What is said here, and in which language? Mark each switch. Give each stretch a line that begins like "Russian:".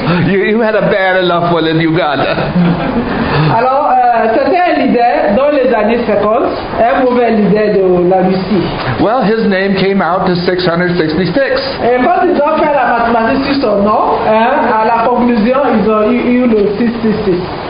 English: you had a bad enough one in Uganda.
French: Alors, c'était un leader dans les années 50, un mauvais leader de la Russie.
English: Well, his name came out to 666.
French: Et quand ils ont fait la mathématique sur son nom, à la conclusion, ils ont eu le 666.